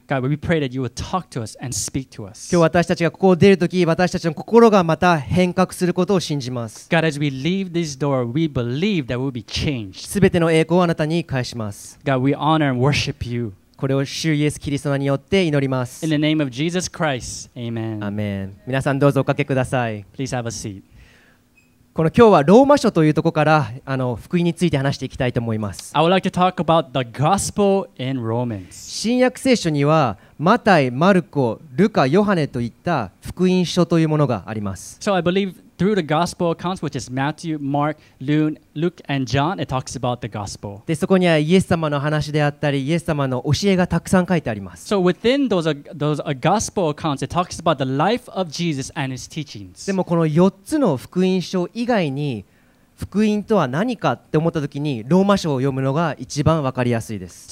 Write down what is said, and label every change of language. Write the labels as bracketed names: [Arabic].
[English] God, we pray that you will talk to us and speak to us. [Japanese] 今日私たちがここを出るとき、私たちの心がまた変革することを信じます。 [English] God, as we leave this door, we believe that we'll be changed. [Japanese] すべての栄光をあなたに返します。 [English] God, we honor and worship you. [Japanese] これを主イエス・キリストによって祈ります。 [English] In the name of Jesus Christ, Amen. [Japanese] Amen. 皆さんどうぞおかけください。 [English] Please have a seat. [Japanese] この今日はローマ書というところから福音について話していきたいと思います。 [English] I would like to talk about the gospel in Romans. [Japanese] 新約聖書にはマタイ、マルコ、ルカ、ヨハネといった福音書というものがあります。 [English] So I believe through the gospel accounts, which is Matthew, Mark, Luke, and John, it talks about the gospel. [Japanese] で、そこにはイエス様の話であったり、イエス様の教えがたくさん書いてあります。 [English] So within those gospel accounts, it talks about the life of Jesus and his teachings. [Japanese] でもこの4つの福音書以外に福音とは何かって思ったときにローマ書を読むのが一番わかりやすいです。